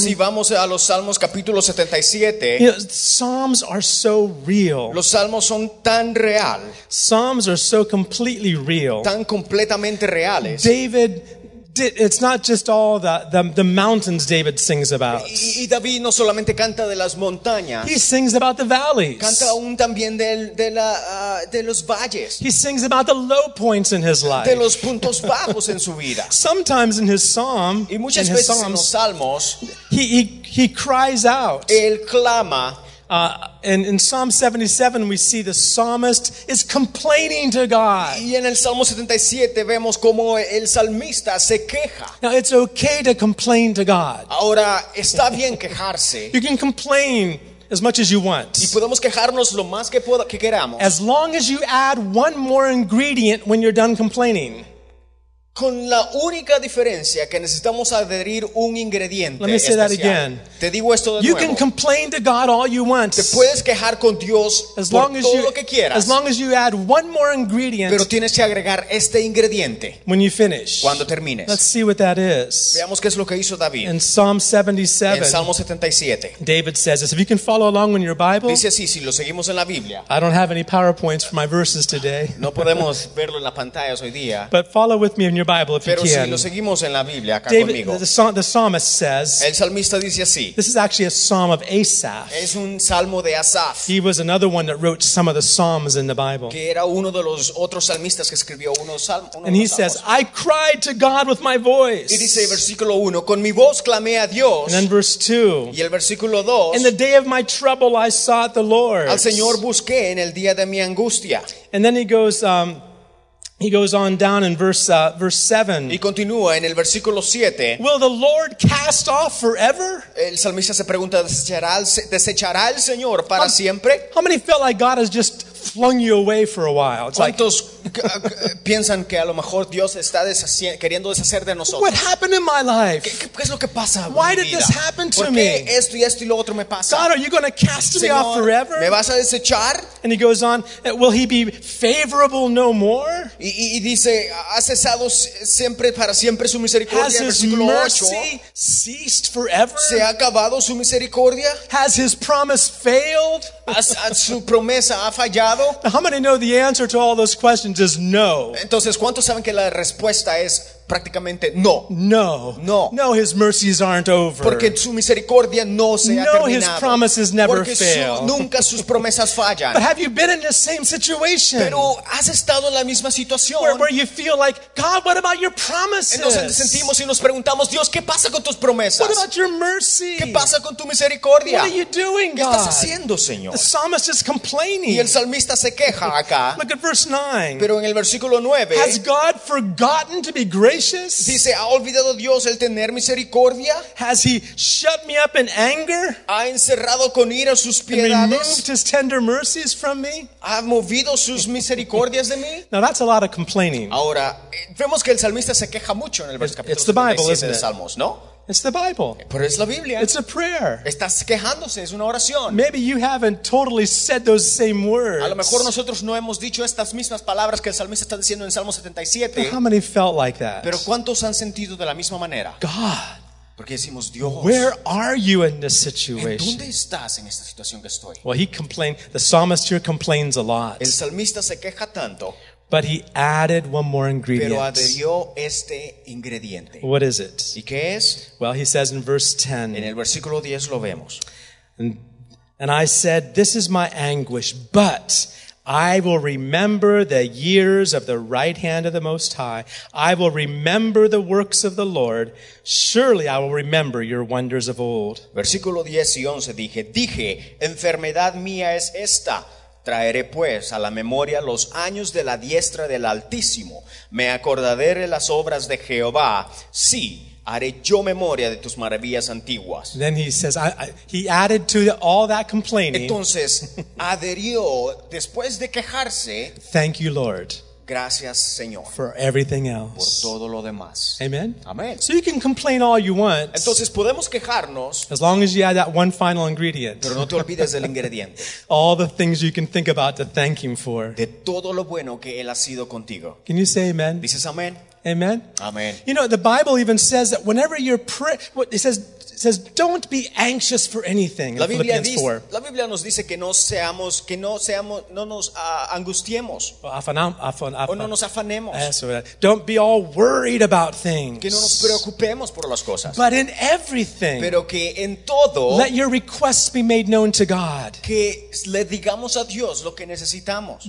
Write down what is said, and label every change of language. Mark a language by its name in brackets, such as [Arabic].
[Spanish] Si vamos a los Salmos capítulo 77. [English] You know, Psalms are so real. [Spanish] Los Salmos son tan real. [English] Psalms are so completely real. [Spanish] Tan completamente reales. [English] David, it's not just all the mountains David sings about. [Spanish] Y David no solamente canta de las montañas. [English] He sings about the valleys. [Spanish] Canta aún también de los valles. [English] He sings about the low points in his life. [Spanish] De los puntos bajos en su vida. [English] Sometimes in his psalm, [Spanish] y muchas veces en los salmos, [English] he cries out. [Spanish] Él clama. [English] And in Psalm 77, we see the psalmist is complaining to God. [Spanish] Y en el Salmo 77 vemos como el salmista se queja. [English] Now it's okay to complain to God. [Spanish] Ahora está bien quejarse. [English] You can complain as much as you want. [Spanish] Y podemos quejarnos lo más que queramos. [English] As long as you add one more ingredient when you're done complaining. [Spanish] Con la única diferencia que necesitamos adherir un ingrediente. [English] Let me say [Spanish] especial. [English] That again. [Spanish] Te digo esto de [English] you [Spanish] nuevo. [English] Can complain to God all you want. [Spanish] Te puedes quejar con Dios [English] as long [Spanish] por [English] as [Spanish] todo [English] you, [Spanish] lo que quieras. [English] As long as you add one more ingredient. [Spanish] Pero tienes que agregar este ingrediente. [English] When you finish. [Spanish] Cuando termines. [English] Let's see what that is. [Spanish] Veamos qué es lo que hizo David. [English] In Psalm 77. [Spanish] En Salmo 77. [English] David says this. If you can follow along in your Bible. [Spanish] Dice así, si lo seguimos en la Biblia. [English] I don't have any PowerPoints for my verses today. [Spanish] No podemos verlo en las pantallas hoy día. [English] But follow with me in your Bible if [Spanish] pero Si lo seguimos en la Biblia, acá David, conmigo. [English] The psalmist says, [Spanish] el salmista dice así, [English] this is actually a psalm of Asaph. [Spanish] Es un salmo de Asaph. [English] He was another one that wrote some of the psalms in the Bible. [Spanish] Que era uno de los otros salmistas que escribió uno de los [English] and he says, [Spanish] salmos. [English] I cried to God with my voice. [Spanish] Y dice, versículo uno, con mi voz clamé a Dios. [English] And then verse 2. [Spanish] Y el versículo dos, [English] in the day of my trouble I sought the Lord. [Spanish] Al Señor busqué en el día de mi angustia. [English] And then he goes, he goes on down in verse 7. [Spanish] Y continúa en el versículo 7. [English] Will the Lord cast off forever? [Spanish] El salmista se pregunta, ¿desechará el Señor para siempre? [English] How many feel like God has just flung you away for a while? It's [Spanish] ¿cuántos [English] like, [Spanish] piensan que a lo mejor Dios está queriendo deshacer de nosotros? [English] What happened in my life? [Spanish] ¿Qué es lo que pasa? [English] Why did this happen to me? [Spanish] ¿Por qué esto y esto y lo otro me pasa? [English] God, are you going to cast [Spanish] Señor, [English] me off forever? [Spanish] ¿Me vas a desechar? [English] And he goes on, will he be favorable no more? [Spanish] Y dice, ¿ha cesado siempre para siempre su misericordia? [English] Has his mercy ceased forever? [Spanish] ¿Se ha acabado su misericordia? [English] Has his promise failed? [Spanish] ¿Su promesa ha fallado? [English] How many know the answer to all those questions is no? [Spanish] Entonces, ¿cuántos saben que la respuesta es prácticamente no? [English] No. [Spanish] No. [English] No, his mercies aren't over. [Spanish] Porque su misericordia no se ha terminado. [English] No, his promises never fail. [Spanish] Nunca sus promesas fallan. [English] But have you been in the same situation? [Spanish] Pero has estado en la misma situación. [English] Where you feel like, God, what about your promises? [Spanish] Entonces sentimos y nos preguntamos, Dios, ¿qué pasa con tus promesas? [English] What about your mercy? [Spanish] ¿Qué pasa con tu misericordia? [English] What are you doing, God? [Spanish] ¿Qué estás haciendo, Señor? [English] The psalmist is complaining. [Spanish] Y el salmista se queja acá. [English] Look at verse 9. [Spanish] Pero en el versículo 9. [English] Has God forgotten to be gracious? [Spanish] Dice, ¿ha olvidado Dios el tener misericordia? [English] Has he shut me up in anger? [Spanish] ¿Ha encerrado con ira sus piedades? [English] And removed his tender mercies from me? [Spanish] ¿Ha movido sus misericordias de mí? [English] Now that's a lot of complaining. [Spanish] Ahora, vemos que el salmista se queja mucho en el versículo 77 de Salmos, ¿no? [English] It's the Bible, isn't it? ¿No? It's the Bible. [Spanish] Pero es la Biblia. [English] It's a prayer. [Spanish] Estás quejándose, es una oración. [English] Maybe you haven't totally said those same words. [Spanish] A lo mejor nosotros no hemos dicho estas mismas palabras que el salmista está diciendo en Salmo 77. [English] How many felt like that? [Spanish] Pero ¿cuántos han sentido de la misma manera? [English] God. [Spanish] Porque decimos, Dios, [English] where are you in this situation? [Spanish] ¿En dónde estás en esta situación que estoy? [English] Well, he complained. The psalmist here complains a lot. [Spanish] El salmista se queja tanto. [English] But he added one more ingredient. [Spanish] Pero adhirió este ingrediente. [English] What is it? [Spanish] ¿Y qué es? [English] Well, he says in verse 10. [Spanish] En el versículo 10 lo vemos. [English] And I said, this is my anguish, but I will remember the years of the right hand of the Most High. I will remember the works of the Lord. Surely I will remember your wonders of old. [Spanish] Versículo 10 y 11 dije, enfermedad mía es esta. Traeré pues a la memoria los años de la diestra del Altísimo. Me acordaré de las obras de Jehová. Sí, haré yo memoria de tus maravillas antiguas. [English] Then he says, he added to all that complaining. [Spanish] Entonces, adherió, después de quejarse. [English] Thank you, Lord. [Spanish] Gracias, Señor. [English] For everything else. [Spanish] Por todo lo demás. [English] Amen. [Spanish] Amen. [English] So you can complain all you want. [Spanish] Entonces, podemos quejarnos. [English] As long as you add that one final ingredient. [Spanish] Pero no te olvides del ingrediente. [English] All the things you can think about to thank him for. [Spanish] De todo lo bueno que él ha sido contigo. [English] Can you say amen? [Spanish] Dices amén. [English] Amen. [Spanish] Amen. [English] You know, the Bible even says that whenever you're it says don't be anxious for anything. [Spanish] La Biblia dice, la Biblia nos dice que no seamos no nos angustiemos. O no nos afanemos. Eso, [English] don't be all worried about things. [Spanish] Que no nos preocupemos por las cosas. [English] But in everything. [Spanish] Pero que en todo. [English] Let your requests be made known to God. [Spanish] Que le digamos a Dios lo que necesitamos.